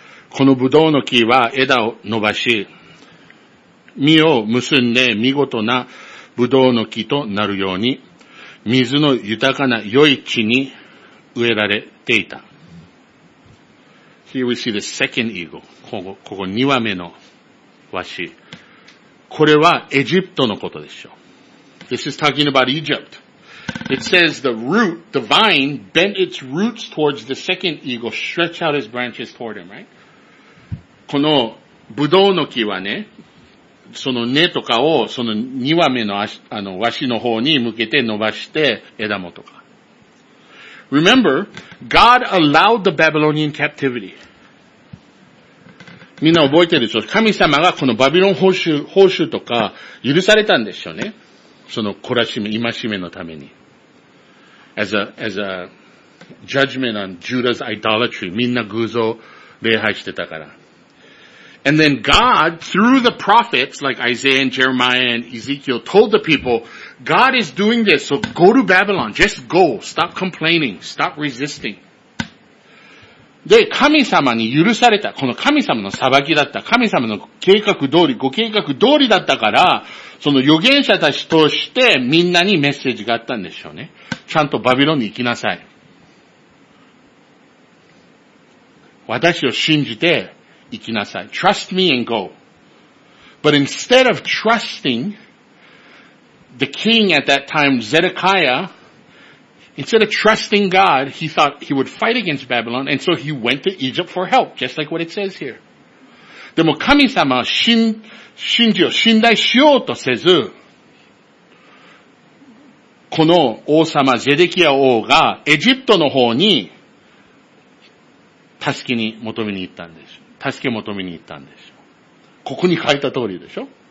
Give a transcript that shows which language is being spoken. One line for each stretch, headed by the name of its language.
Japanese: このブドウの木は枝を伸ばし、実を結んで見事なブドウの木となるように、水の豊かな良い地に植えられていた。
English: Here we see the second eagle.
Japanese: ここ二羽目のワシ。これはエジプトのことでしょう。
English: This is talking about Egypt. It says the root, the vine, bent its roots towards the second eagle, stretch out its branches toward him, right?
Japanese: このブドウの木はね、その根とかをその2羽目の足、あの、ワシの方に向けて伸ばして枝元か。
English: Remember, God allowed the Babylonian captivity.
Japanese: みんな覚えてるでしょ？神様がこのバビロン報酬とか許されたんでしょうね。その懲らしめ、戒めのために。
English: As a judgment on Judah's idolatry.
Japanese: みんな偶像礼拝してたから。
English: And then God, through the prophets, like Isaiah and Jeremiah and Ezekiel, told the people, God is doing this, so go to Babylon. Just go. Stop complaining. Stop resisting.
Japanese: で、神様に許された。この神様の裁きだった。神様の計画通り、ご計画通りだったから、その預言者たちとしてみんなにメッセージがあったんでしょうね。ちゃんとバビロンに行きなさい。私を信じて、行きなさい。
English: Trust me and go. But instead of trusting the king at that time, Zedekiah, instead of trusting God, he thought he would fight against Babylon, and so he went to Egypt for help, just like what it says here.
Japanese: でも神様は信じよう、信頼しようとせず、この王様、ゼデキヤ王がエジプトの方に助けに求めに行ったんです。助け求めに行ったんです。ここに書いた通りでしょ？